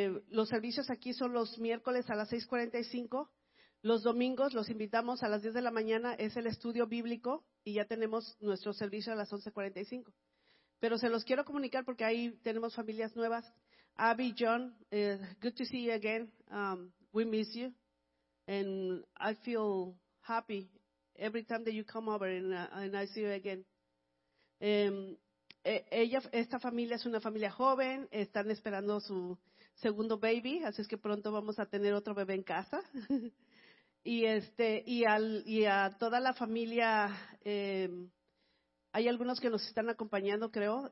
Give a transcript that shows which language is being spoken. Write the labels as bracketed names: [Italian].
[Spanish] Los servicios aquí son los miércoles a las 6:45. Los domingos los invitamos a las 10 de la mañana, es el estudio bíblico y ya tenemos nuestro servicio a las 11:45. Pero se los quiero comunicar porque ahí tenemos familias nuevas. [English] Abby, John, good to see you again. We miss you. And I feel happy every time that you come over and I see you again. [Spanish] Esta familia es una familia joven, están esperando su segundo baby, así es que pronto vamos a tener otro bebé en casa. Y a toda la familia, hay algunos que nos están acompañando, creo.